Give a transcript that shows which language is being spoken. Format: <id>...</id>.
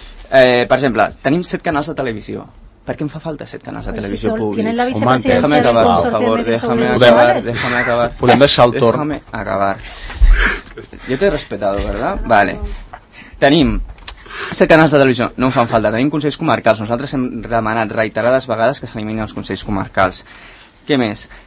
<ca>Per exemple, tenim 7 canals de televisió. Per què em fa falta 7 canals de televisió públics?</ca> <es>Déjame acabar, por favor, déjame acabar.</es> <ca>Podem deixar el torn.</ca> <es>Déjame acabar. Yo te he respetado, ¿verdad?</es> <ca>Vale. Tenim... 7 canals de televisió, no en fan falta, tenim consells comarcals, nosaltres hem demanat reiterades vegades que s'eliminin els consells comarcals. Què més?</ca>